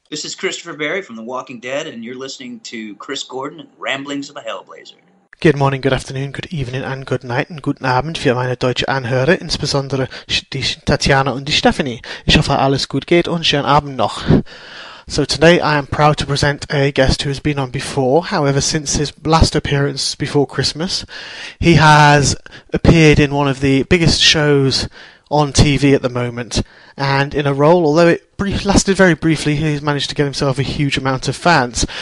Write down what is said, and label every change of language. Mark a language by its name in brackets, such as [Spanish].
[English] This is Christopher Barry from The Walking Dead, and you're listening to Chris Gordon and Ramblings of a Hellblazer. Good morning, good afternoon, good evening, and good night, and [German] guten Abend für meine deutsche Anhörer, insbesondere die Tatjana und die Stephanie. Ich hoffe, alles gut geht und schönen Abend noch. [English] So today I am proud to present a guest who has been on before, however, since his last appearance before Christmas. He has appeared in one of the biggest shows on TV at the moment, and in a role, although it lasted very briefly, he's managed to get himself a huge amount of fans.